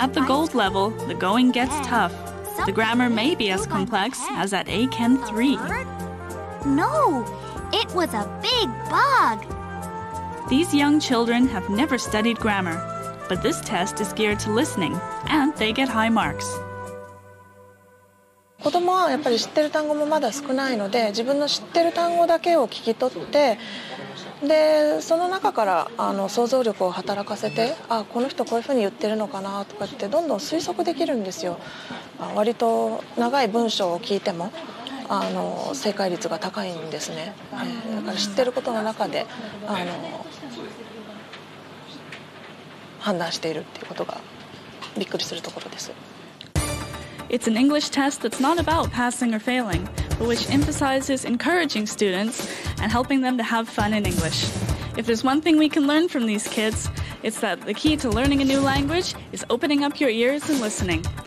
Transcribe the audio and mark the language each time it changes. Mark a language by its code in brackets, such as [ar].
[en] At the gold level, the going gets tough. The grammar may be as complex as at AKEN 3. No, it was a big bug. These young children have never studied grammar, but this test is geared to listening, and they get high marks. [ja] 子供はやっぱり知ってる単語もまだ少ないので、自分の知ってる単語だけを聞き取って、でその中から想像力を働かせて、あこの人こういうふうに言ってるのかなとかってどんどん推測できるんですよ。割と長い文章を聞いても正解率が高いんですね。だから知ってることの中で判断しているっていうことがびっくりするところです。 [en] It's an English test that's not about passing or failing, but which emphasizes encouraging students and helping them to have fun in English. If there's one thing we can learn from these kids, it's that the key to learning a new language is opening up your ears and listening.